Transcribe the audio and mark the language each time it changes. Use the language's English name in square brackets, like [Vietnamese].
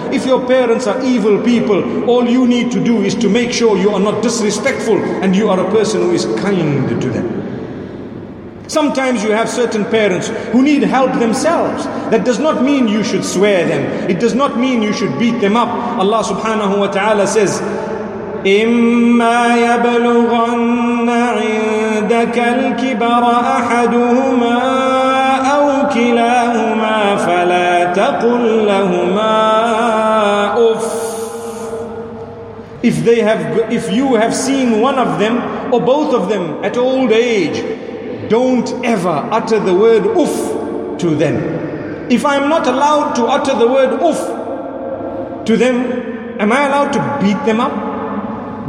[English] If your parents are evil people, all you need to do is to make sure you are not disrespectful and you are a person who is kind to them. Sometimes you have certain parents who need help themselves. That does not mean you should swear them. It does not mean you should beat them up. Allah subhanahu wa ta'ala says, [Arabic] إِمَّا يَبْلُغَنَّ عِنْدَكَ الْكِبَرَ أَحَدُهُمَا أَوْ كِلَاهُمَا فَلَا تَقُلْ لَهُمَا أُفْ. [English] If you have seen one of them or both of them at old age, don't ever utter the word uff to them. If I'm not allowed to utter the word uff to them, am I allowed to beat them up?